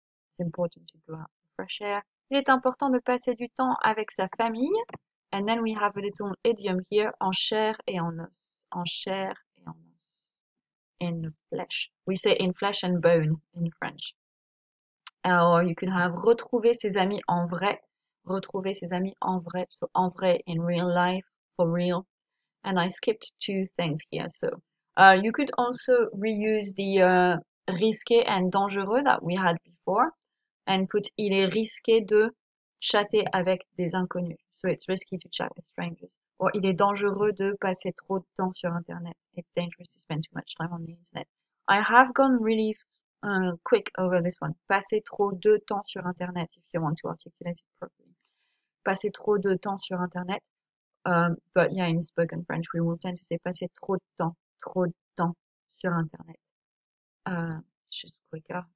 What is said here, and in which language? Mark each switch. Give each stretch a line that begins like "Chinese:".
English: It's important to go out for fresh air.
French: Il est important de passer du temps avec sa famille.
English: And then we have a little idiom here,
French: en chair et en os.
English: En chair. In flesh. We say in flesh and bone in French. Or you could have
French: retrouver ses amis en vrai. Retrouver ses amis en vrai.
English: So en vrai, in real life, for real. And I skipped two things here. So you could also reuse the risqué and dangereux that we had before. And put
French: il est risqué de chatter avec des inconnus.
English: So it's risky to chat with strangers.
French: Or il est dangereux de passer trop de temps sur internet.
English: It's dangerous to spend too much time on the internet. I have gone really quick over this one.
French: Passer trop de temps sur internet,
English: if you want to articulate it properly.
French: Passer trop de temps sur internet.
English: But yeah, in spoken French, we will tend to say passer trop de temps sur internet. It's just quicker.